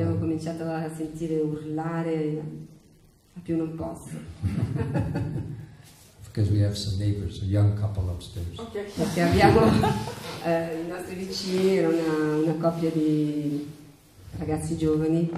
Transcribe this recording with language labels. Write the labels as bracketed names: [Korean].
[Italian] Abbiamo cominciato a sentire urlare a più non posso. [English] Because we have some neighbors, a young couple upstairs. Okay. [Italian] Perché abbiamo i nostri vicini, era una coppia di ragazzi giovani.